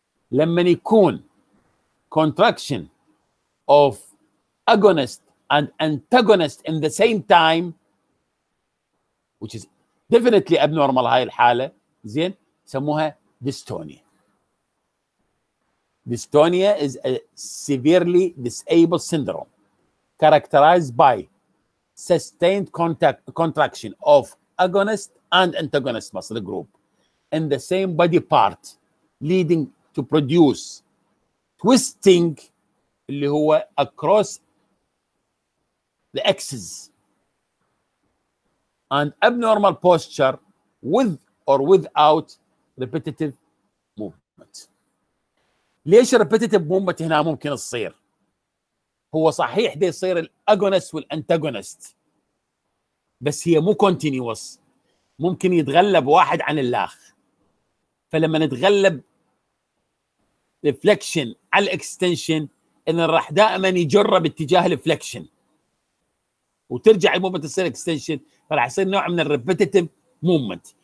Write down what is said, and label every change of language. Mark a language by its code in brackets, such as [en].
[ar] لما يكون [en] contraction of agonist and antagonist in the same time which is definitely abnormal [ar] هاي الحاله, زين, سموها ديستونيا. [en] Dystonia is a severely disabled syndrome characterized by sustained contraction of agonist and antagonist muscle group in the same body part leading to produce twisting [ar] اللي هو [en] across the axes and abnormal posture with or without repetitive movement. [ar] ليش ريبيتيتيف مومنت هنا ممكن تصير؟ هو صحيح ده يصير الاجونست والانتاجونست بس هي مو كونتينيوس, ممكن يتغلب واحد عن الاخ. فلما نتغلب الفليكشن على الاكستنشن ان راح دائما يجر باتجاه الفليكشن وترجع المومنت تصير اكستنشن, راح يصير نوع من الريبيتيتيف مومنت.